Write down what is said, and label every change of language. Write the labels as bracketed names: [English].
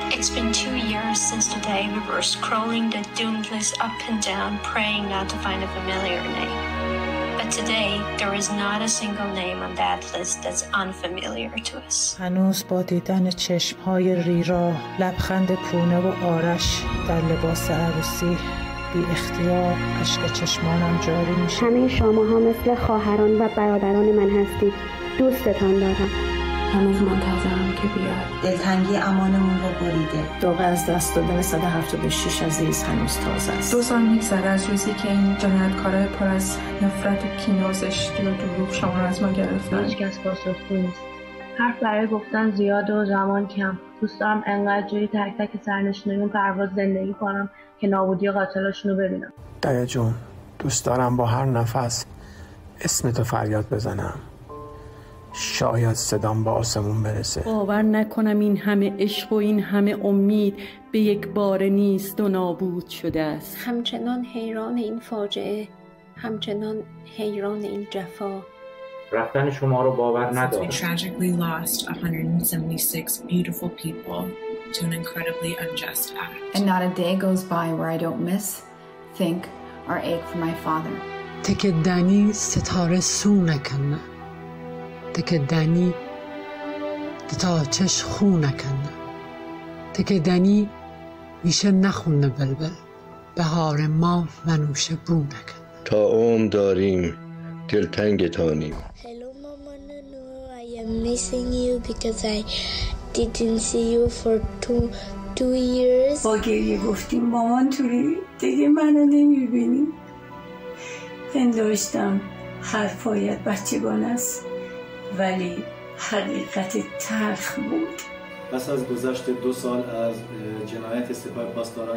[English] It's been 2 years since the day we were scrolling the doomed list up and down, praying not to find a familiar name. But today, there is not a single name on that list that's unfamiliar to us. [Persian] هنوز با دیدن چشم‌های ریرا، لبخند پونه و آرش در لباس عروسی، بی اختیار اشک چشمانم جاری میشه. همه شما هم مثل خواهران و برادران من هستید. دوستتان دارم. هنوز منتظرم که بیاد. دلتنگی امانمون رو بریده. داغ از دست دادن 176 عزیز هنوز تازه است. دو سال میگذره از روزی که این جنایتکارای پر از نفرت و کینه و زشتی و دروغ شما رو از ما گرفتن. هیچ کس پاسخگو نیست. حرف برای گفتن زیاد و زمان کم. دوست دارم انقدر جوری تک تک سرنشینان پرواز زندگی کنم که نابودی قاتلاشون رو ببینم. دایه جون، دوست دارم با هر نفس اسمتو فریاد بزنم. شاید صدام به آسمون برسه. باور نکنم این همه عشق و این همه امید به یک بار نیست و نابود شده است. همچنان حیران این فاجعه، همچنان حیران این جفا. رفتن شما رو باور ندارم. [English] We tragically lost 176 beautiful people to an incredibly unjust act. And not a day goes by where I don't miss, think, or ache for my father. [Persian] تک دنی ستاره سو نکنه. تک دنی دتا چش خون نکنه. تک دنی میشه نخونه بلبل. بهار ما و نوشه بو نکنه. تا عمر داریم دلتنگتانیم. [English] Hello Mama Nunu, I am missing you because I didn't see you for two years. [Persian] با گریه گفتیم مامان توری دیگه منو نمیبینیم. پنداشتم حرفایت بچگان است ولی حقیقت تلخ بود. پس از گذشت 2 سال از جنایت سپاه پاسداران